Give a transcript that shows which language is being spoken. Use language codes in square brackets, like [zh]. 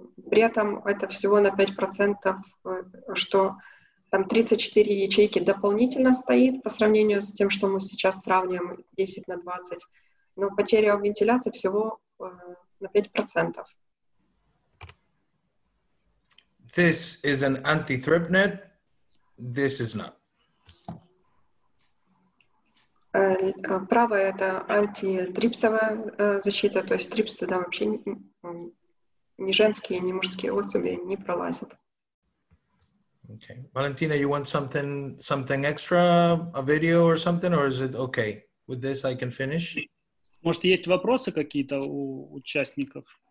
[ru] При этом это всего на 5%, что там 34 ячейки дополнительно стоит по сравнению с тем, что мы сейчас сравниваем 10 на 20. Но потеря вентиляции всего на 5%. [en] This is an anti-thrip net. This is not. [ru] Правая — это анти-трипсовая защита, то есть трипс туда вообще ни женские, ни мужские особи не пролазят. [en] Okay. Valentina, you want something extra, a video or something, or is it okay? With this I can finish. [ru] Может, есть вопросы какие-то у участников?